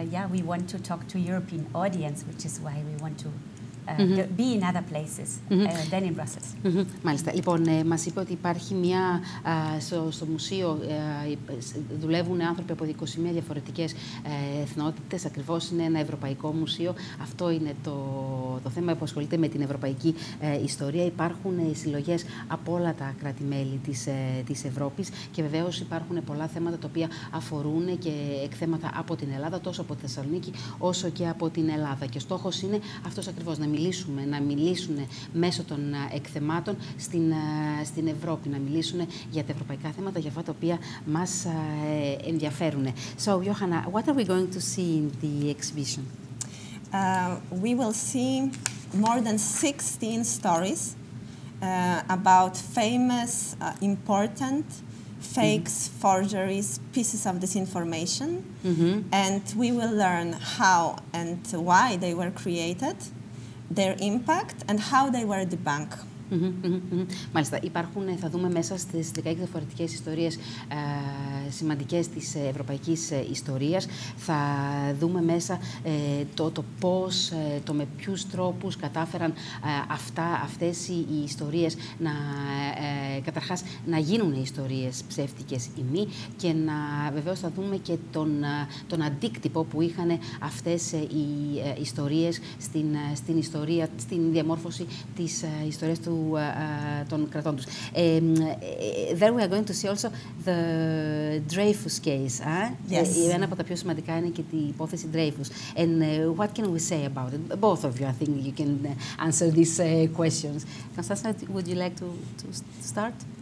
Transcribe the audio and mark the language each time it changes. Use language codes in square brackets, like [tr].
[en] We want to talk to European audience, which is why we want to be in other places than in Brussels. [el] Μάλιστα. Λοιπόν, μας είπε ότι υπάρχει μια στο μουσείο δουλεύουν άνθρωποι από 21 διαφορετικές εθνότητες. Ακριβώς είναι ένα ευρωπαϊκό μουσείο. Αυτό είναι το θέμα που ασχολείται με την ευρωπαϊκή ιστορία. Υπάρχουν συλλογές από όλα τα κράτη-μέλη της Ευρώπης και βεβαίως υπάρχουν πολλά θέματα τα οποία αφορούν και εκθέματα από την Ελλάδα, τόσο από τη Θεσσαλονίκη όσο και από την Ελλάδα. Και στόχος είναι αυτός ακριβώς. Να μιλήσουν μέσω των εκθεμάτων στην Ευρώπη, να μιλήσουν για τα ευρωπαϊκά θέματα, για αυτά τα οποία μας ενδιαφέρουν. [en] So, Johanna, what are we going to see in the exhibition? We will see more than 16 stories about famous, important fakes, forgeries, pieces of disinformation. And we will learn how and why they were created, their impact and how they were debunked. Μάλιστα, υπάρχουν, θα δούμε μέσα στις 16 διαφορετικές ιστορίες σημαντικές της ευρωπαϊκής ιστορίας. Θα δούμε μέσα το πώς, το με ποιους τρόπους κατάφεραν αυτές οι ιστορίες να καταρχάς να γίνουν ιστορίες ψεύτικες ή μη και να βεβαίως θα δούμε και τον αντίκτυπο που είχαν αυτές οι ιστορίες στην ιστορία, στην διαμόρφωση της ιστορίας του των κρατών τους. There we are going to see also the Dreyfus case. Yes. [el] Ένα από τα πιο σημαντικά είναι και την υπόθεση Dreyfus. [en] And what can we say about it? Both of you, I think you can answer these questions. Constanza, would you like to start?